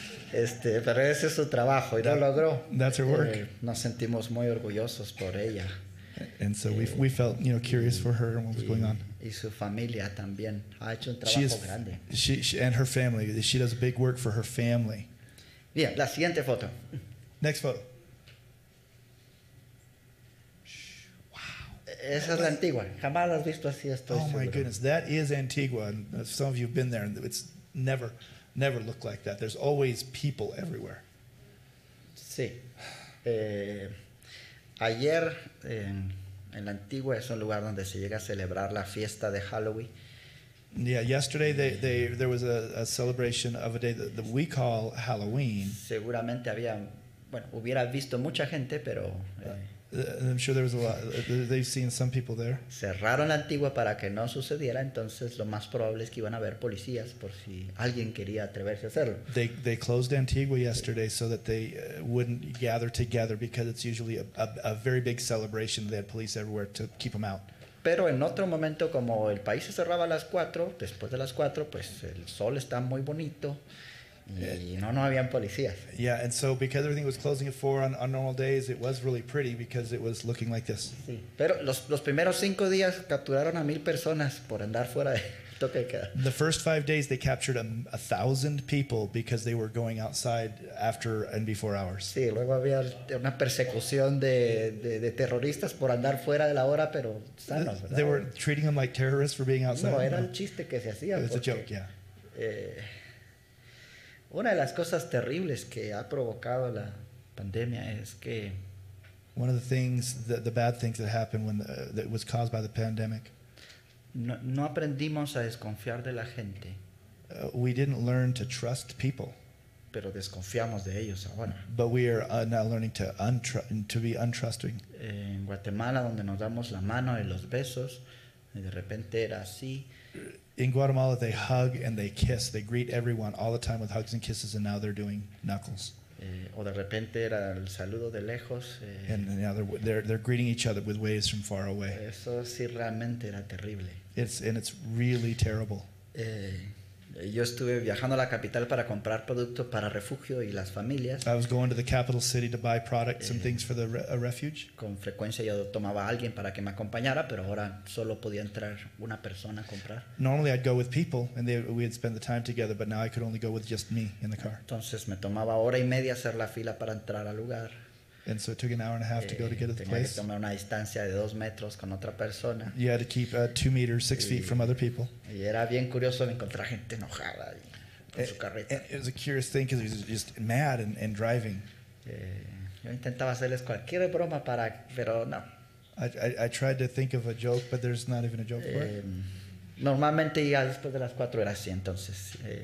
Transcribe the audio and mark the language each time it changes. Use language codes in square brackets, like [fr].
[es] Pero ese es su trabajo y lo logró. [en] That's her work. [es] Nos sentimos muy orgullosos por ella. [en] And so we felt, you know, curious for her and what was going on. [es] Y su familia también ha hecho un trabajo grande. [en] She and her family. She does big work for her family. [es] Bien, la siguiente foto. [en] Next photo. [es] Wow. Esa es la Antigua. Jamás la has visto así. [en] Oh, my goodness. That is Antigua. And some of you have been there. And it's never, never looked like that. There's always people everywhere. [es] Sí. Ayer, en la Antigua, es un lugar donde se llega a celebrar la fiesta de Halloween. [en] Yeah, yesterday there was a celebration of a day that we call Halloween. [es] Seguramente había, bueno, hubiera visto mucha gente, pero... [en] I'm sure there was a lot. They've seen some people there. [es] Cerraron la antigua para que no sucediera, entonces lo más probable es que iban a haber policías por si alguien quería atreverse a hacerlo. [en] They closed Antigua yesterday so that they wouldn't gather together because it's usually a very big celebration. They had police everywhere to keep them out. [es] Pero en otro momento, como el país se cerraba a las 4, después de las 4, pues el sol está muy bonito. No habían policías. [en] Yeah, and so because everything was closing at 4 on normal days, it was really pretty because it was looking like this. [es] Sí, pero los primeros 5 días capturaron a 1,000 personas por andar fuera de toque de queda. [en] The first 5 days they captured 1,000 people because they were going outside after and before hours. [es] Sí, luego había una persecución de terroristas por andar fuera de la hora, pero sanos, ¿verdad? [en] They were treating them like terrorists for being outside. [es] No, era un chiste que se hacía. [en] It's a joke, yeah. [es] Una de las cosas terribles que ha provocado la pandemia es que [en] one of the things the bad things that happened when that was caused by the pandemic [es] no aprendimos a desconfiar de la gente. [en] We didn't learn to trust people. [es] Pero desconfiamos de ellos ahora. [en] But we are now learning to be untrusting. [es] En Guatemala donde nos damos la mano y los besos y de repente era así. [en] In Guatemala, they hug and they kiss. They greet everyone all the time with hugs and kisses, and now they're doing knuckles. [es] O de repente era el saludo de lejos. [en] And now they're greeting each other with waves from far away. [es] Eso sí realmente era terrible. [en] It's really terrible. [es] Yo estuve viajando a la capital para comprar producto para refugio y las familias. [en] I was going to the capital city to buy products and things for a refuge. [es] Con frecuencia yo tomaba a alguien para que me acompañara, pero ahora solo podía entrar una persona a comprar. [en] Normally I'd go with people and we'd spend the time together, but now I could only go with just me in the car. [es] Entonces me tomaba hora y media hacer la fila para entrar al lugar. [en] And so it took an hour and a half to go to get to the place. [es] Tenía que tomar una distancia de 2 metros con otra persona. [en] You had to keep 2 meters, 6 feet from other people. [es] Y era bien curioso encontrar gente enojada y con su carreta. [en] It was a curious thing because he was just mad and driving. [es] Yo intentaba hacerles cualquier broma para, pero no. [en] I tried to think of a joke, but there's not even a joke for it. [es] Normalmente ya después de las 4 era así, entonces.